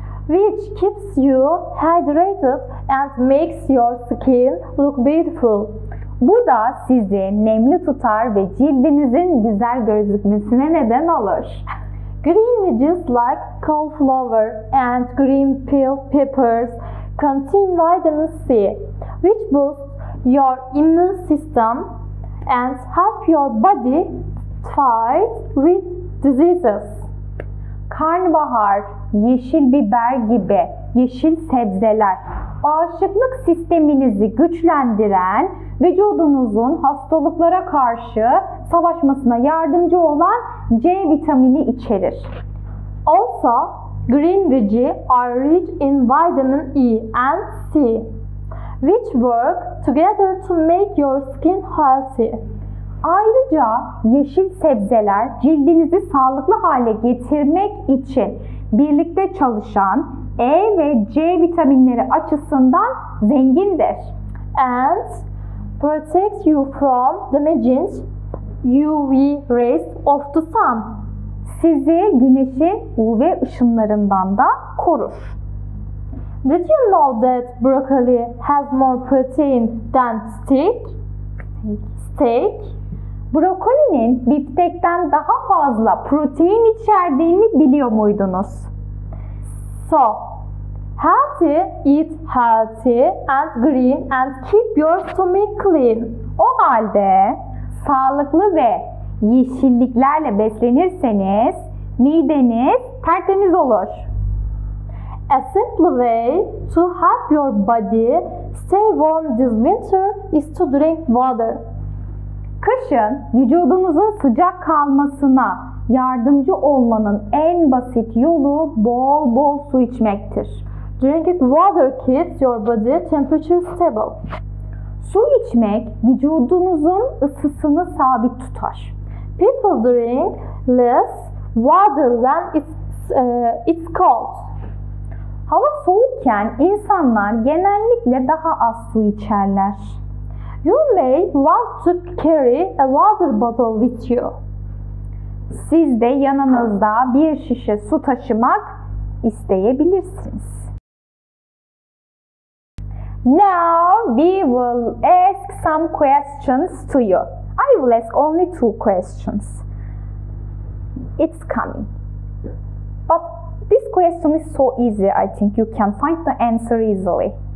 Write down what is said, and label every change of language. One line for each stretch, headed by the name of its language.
English: Which keeps you hydrated and makes your skin look beautiful.
Turkish: Bu da sizi nemli tutar ve cildinizin güzel gözükmesine neden olur.
English: Green veggies like cauliflower and green peppers contain vitamin C, which boosts your immune system and help your body fight with diseases.
Turkish: Karnabahar, yeşil biber gibi yeşil sebzeler bağışıklık sisteminizi güçlendiren, vücudunuzun hastalıklara karşı savaşmasına yardımcı olan C vitamini içerir.
English: Also, green veggies are rich in vitamin E and C, which work together to make your skin healthy.
Turkish: Ayrıca yeşil sebzeler cildinizi sağlıklı hale getirmek için birlikte çalışan E ve C vitaminleri açısından zengindir.
English: And protect you from damaging UV rays of the sun.
Turkish: Sizi güneşin UV ışınlarından da korur.
English: Did you know that broccoli has more protein than steak? Steak?
Turkish: Brokolinin biftekten daha fazla protein içerdiğini biliyor muydunuz?
English: So, healthy, eat healthy and green and keep your stomach clean.
Turkish: O halde sağlıklı ve yeşilliklerle beslenirseniz mideniz tertemiz olur.
English: A simple way to help your body stay warm this winter is to drink water.
Turkish: Kışın vücudunuzun sıcak kalmasına yardımcı olmanın en basit yolu bol bol su içmektir.
English: Drinking water keeps your body temperature stable.
Turkish: Su içmek vücudunuzun ısısını sabit tutar.
English: People drink less water when it's cold.
Turkish: Hava soğukken insanlar genellikle daha az su içerler.
English: You may want to carry a water bottle with you.
Turkish: Siz de yanınızda bir şişe su taşımak isteyebilirsiniz.
English: Now we will ask some questions to you. I will ask only two questions. It's coming. But this question is so easy, I think you can find the answer easily.